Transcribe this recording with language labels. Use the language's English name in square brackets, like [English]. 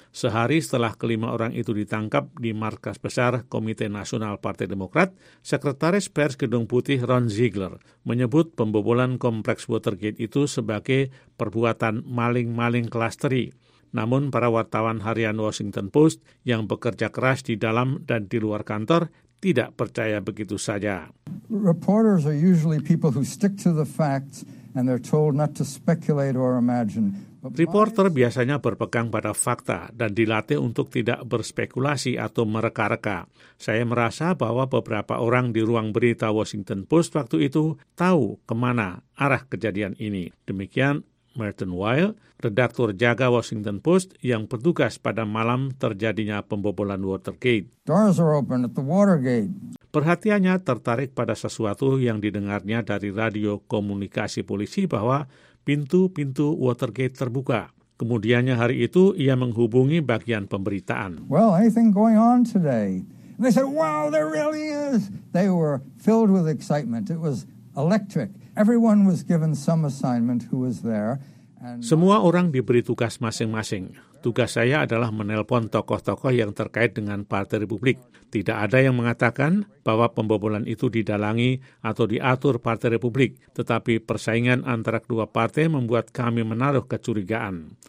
[Indonesian] Sehari setelah 5 orang itu ditangkap di markas besar Komite Nasional Partai Demokrat, Sekretaris Pers Gedung Putih Ron Ziegler menyebut pembobolan Kompleks Watergate itu sebagai perbuatan maling-maling klasteri. Namun para wartawan harian Washington Post yang bekerja keras di dalam dan di luar kantor tidak percaya begitu saja. [English] Reporters are usually people who stick to the facts and they're told not to speculate or imagine. [Indonesian] Reporter biasanya berpegang pada fakta dan dilatih untuk tidak berspekulasi atau mereka-reka. Saya merasa bahwa beberapa orang di ruang berita Washington Post waktu itu tahu kemana arah kejadian ini. Demikian Merton Weil, redaktur jaga Washington Post yang bertugas pada malam terjadinya pembobolan Watergate. [English] Doors are open at the Watergate. [Indonesian] Perhatiannya tertarik pada sesuatu yang didengarnya dari radio komunikasi polisi bahwa pintu-pintu Watergate terbuka. Kemudiannya hari itu ia menghubungi bagian pemberitaan. [English] Well, anything going on today? And they said, "Wow, there really is." They were filled with excitement. It was electric. Everyone was given some assignment who was there. [Indonesian] Semua orang diberi tugas masing-masing. Tugas saya adalah menelpon tokoh-tokoh yang terkait dengan Partai Republik. Tidak ada yang mengatakan bahwa pembobolan itu didalangi atau diatur Partai Republik, tetapi persaingan antara kedua partai membuat kami menaruh kecurigaan.